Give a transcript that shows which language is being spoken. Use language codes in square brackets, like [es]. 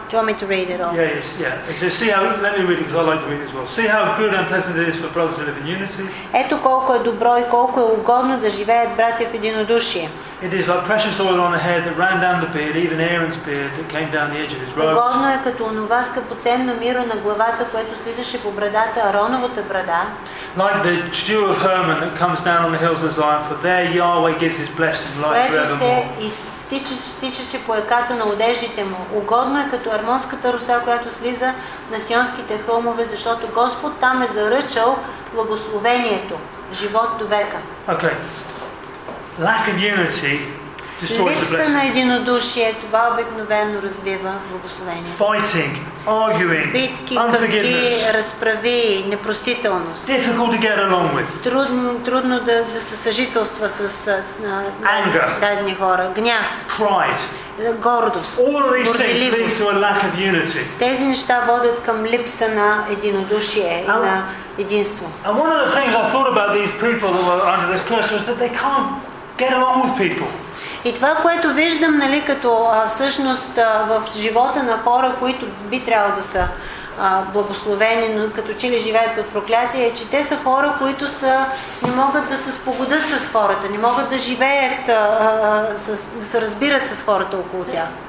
[en] Do you want me to read it all? Yeah. See how, let me read it because I like to read it as well. See how good and pleasant it is for brothers to live in unity. [bg] Ето колко е добро и колко е угодно да живеят братя в единодушие. [en] It is like precious oil on the head that ran down the beard, even Aaron's beard that came down the edge of his robe. [bg] Угодно е като онова скъпоценно миро на главата, което слизаше по брадата, Ароновата брада. [en] like the Jew of Hermon that comes down on the hills of Zion, for there Yahweh gives his blessing life forevermore. [bg] Стича се по еката на одеждите му. Угодно е като армонската роса, която слиза на сионските хълмове, защото Господ там е заръчал благословението, живот до века. [en] Okay. Lack of unity destroys the blessing. [bg] Липса на единодушие, това обикновено разбива благословението. [en] Fighting, arguing, [bg] битки, [en] unforgiveness, [bg] разправи, непростителност. [en] Difficult to get along with. [bg] Трудно да се съжителства с дадени хора. Гняв. [en] Pride. [bg] Гордост. [en] All of these things lead to a lack of unity. [bg] Тези неща водят към липса на единодушие и на единство. [en] And one of the things I thought about these people that were under this curse was that they can't get along with people. [bg] И това, което виждам, нали, като всъщност в живота на хора, които би трябвало да са благословени, но като че ли живеят под проклятие, е, че те са хора, които са, не могат да се спогодят с хората, не могат да живеят, да се разбират с хората около тях.